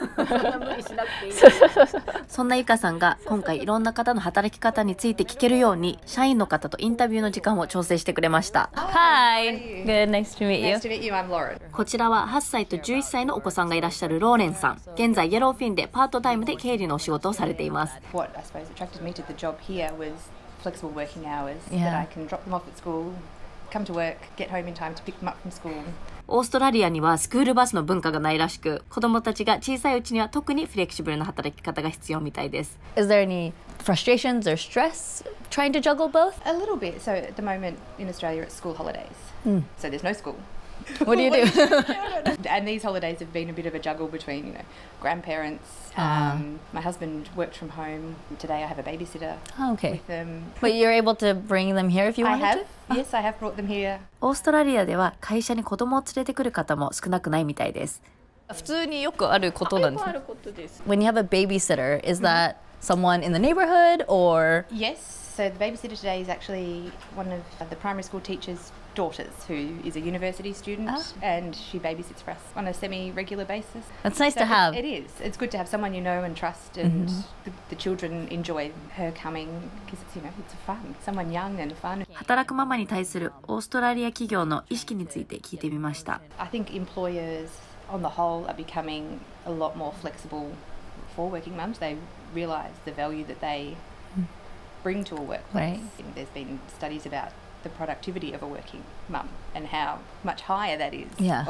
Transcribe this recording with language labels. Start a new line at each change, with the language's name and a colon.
Japanese: そんな無理しなくていい。そんなゆかさんが今回いろんな方の働き方について聞けるように社員の方とインタビューの時間を調整してくれました。
English: Hi! Good, nice to meet you. Nice to meet you, I'm Lauren.
Japanese: こちらは8歳と11歳のお子さんがいらっしゃるローレンさん。現在 Yellowfin でパートタイムで経理のお仕事をされています。
English: What I suppose attracted me to the job here was flexible working hours、yeah. that I can drop them off at school, come to work, get home in time to pick them up from school.
Japanese: オーストラリアにはスクールバスの文化がないらしく、子どもたちが小さいうちには特にフレキシブルな働き方が必要みたいです。
English: Is there any frustrations or stress trying to juggle both? A little bit. So at the moment in Australia it's school holidays.、 Mm. So there's no school. What do you do? And these holidays have been a bit of a juggle between, you know, grandparents. My husband worked from home. Today I have a babysitter、 oh, okay. with them. But you're able to bring them here if you wanted to? I have. Yes, I have brought them here.
Japanese: オーストラリアでは会社に子供を連れてくる方も少なくないみたいです。普通によくあることなんです。よくあることです。
English: When you have a babysitter, is that someone in the neighborhood or? Yes, so the babysitter today is actually one of the primary school teacher's daughters who is a university student、oh. and she babysits for us on a semi-regular basis. That's nice、so、to have. It is. It's good to have someone you know and trust and、mm-hmm. the children enjoy her coming because it's, you know, it's fun. Someone young and fun.
Japanese: 働くママに対するオーストラリア企業の意識について聞いてみました。
English: I think employers on the whole are becoming a lot more flexible for working mums. They realize the value that they bring to a workplace.、 Right. There's been studies aboutthe productivity of a working mum and how much higher that is、 yeah.